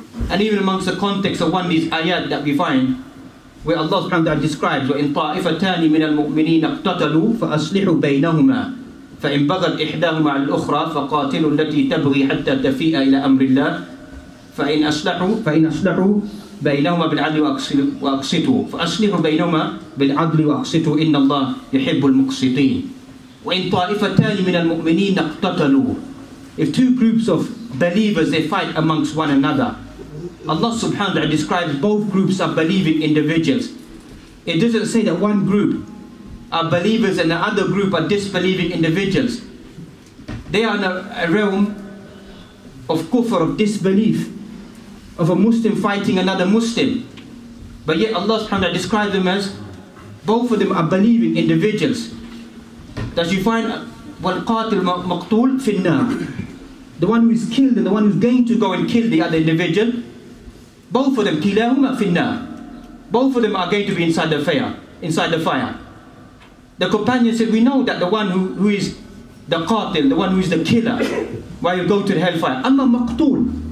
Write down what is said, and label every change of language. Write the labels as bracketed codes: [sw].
[en] And even amongst the context of one of these ayat that we find, where Allah subhanahu wa ta'ala describes, [ar] وَإِن طَائِفَتَانِ مِنَ الْمُؤْمِنِينَ اقْتَتَلُوا فَأَصْلِحُوا بَيْنَهُمَا فَإِنْ بَغَتْ إِحْدَاهُمَا عَلَى الْأُخْرَى فَقَاتِلُوا الَّتِي تَبْغِي حَتَّى تَفِيءَ إِلَى أَمْرِ اللَّهِ فَإِنْ أَصْلَحُوا بَيْنَهُمَا بِالْعَدْلِ وَأَقْسِطُوا فَأَصْلِحُوا بَيْنَهُمَا بِالْعَدْلِ وَأَقْسِطُوا إِنَّ اللَّهَ يُحِبُّ الْمُقْسِطِينَ وَإِنْ طَائِفَتَانِ مِنَ الْمُؤْمِنِينَ اقْتَتَلُوا. [en] If two groups of believers, they fight amongst one another, Allah subhanahu wa ta'ala describes both groups are believing individuals. It doesn't say that one group are believers and the other group are disbelieving individuals. They are in a realm of kufr, of disbelief, of a Muslim fighting another Muslim. But yet Allah subhanahu wa ta'ala describes them as both of them are believing individuals. Thus you find [ar] وَالْقَاتِلْ مَقْتُولْ فِي النَّارِ. [en] The one who is killed and the one who is going to go and kill the other individual, both of them, [ar] كِلَاهُمَا فِي النَّارِ. [en] Both of them are going to be inside the fire. Inside the fire. The companion said, we know that the one who is the qatil, the one who is the killer, why you go to the hellfire. [ar] Amma maqtul.